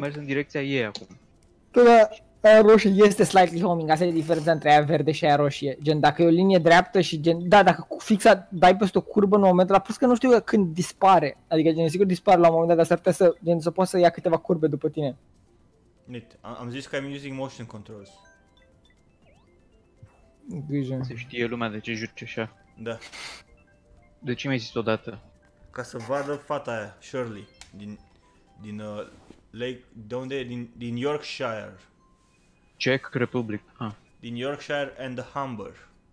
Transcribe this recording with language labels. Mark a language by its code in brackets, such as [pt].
[ro] Mers în direcția ei acum. Da, aia roșie este [en] slightly homing, [ro] asta e diferența între aia verde și aia roșie. Gen, dacă e o linie dreaptă și gen... da, dacă fixa dai peste o curbă în momentul ăla, plus că nu știu când dispare. Adică, gen, sigur dispare la un moment dat, dar s-ar putea să, gen, să poată să ia câteva curbe după tine. Nit, am zis că [en] I'm using motion controls. [ro] Grijă. Se știe lumea de ce juci așa. Da. De ce mi-ai zis odată? Ca să vadă fata aia, Shirley, din Lake... de unde e? Din Yorkshire. Czech Republic, Din Yorkshire and the Humber.